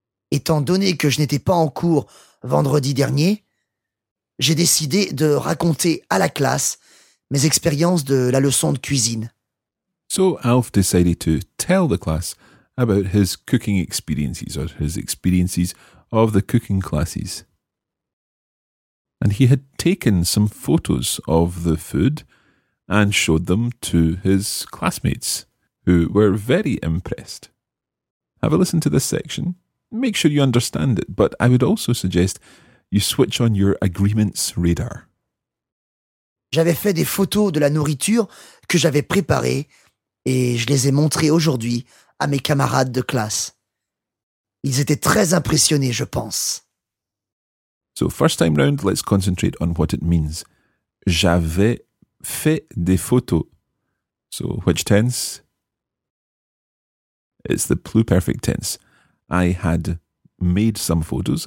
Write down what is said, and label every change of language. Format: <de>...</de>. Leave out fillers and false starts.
<fr>Étant donné que je n'étais pas en cours vendredi dernier, j'ai décidé de raconter à la classe mes expériences de la leçon de cuisine.</fr> <en>So Alf decided to tell the class about his cooking experiences or his experiences of the cooking classes. And he had taken some photos of the food and showed them to his classmates, who were very impressed. Have a listen to this section. Make sure you understand it, but I would also suggest you switch on your agreements radar.</en> <fr>J'avais fait des photos de la nourriture que j'avais préparée et je les ai montrées aujourd'hui à mes camarades de classe. Ils étaient très impressionnés, je pense.</fr> <en>So first time round, let's concentrate on what it means.</en> <fr>J'avais fait des photos.</fr> <en>So which tense? It's the pluperfect tense. I had made some photos.</en>